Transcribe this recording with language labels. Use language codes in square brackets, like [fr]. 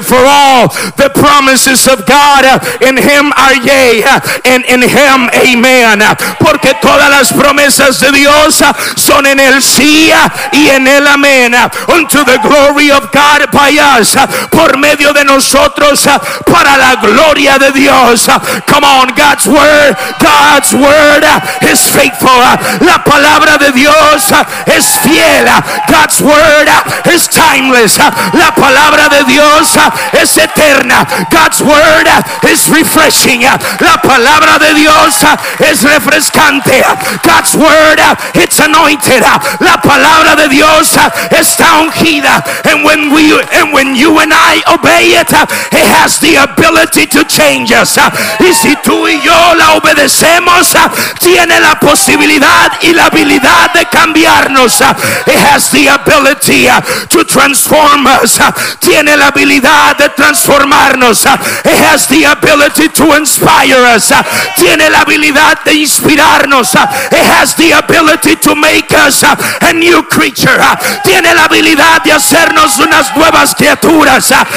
[en] For all the promises of God in him are yea, and in him amen. [es] Porque todas las promesas de Dios son en el sí y en el amén. [en] Unto the glory of God by us. [es] Por medio de nosotros, para la gloria de Dios. [en] Come on, God's word is faithful. [es] La palabra de Dios es fiel. [en] God's word is timeless. [es] La palabra de Dios es eterna. [en] God's word is refreshing. [es] La palabra de Dios es refrescante. [en] God's word, it's anointed. [es] La palabra de Dios está ungida. [en] And when you and I obey it, it has the ability to change us. [es] Y si tú y yo la obedecemos, tiene la posibilidad y la habilidad de cambiarnos. [en] It has the ability to transform us. [es] Tiene la habilidad de transformarnos. [en] It has the ability to inspire us. [es] Tiene la habilidad de inspirarnos. [en] It has the ability to make us a new creature. [es] Tiene la habilidad de hacernos unas nuevas criaturas.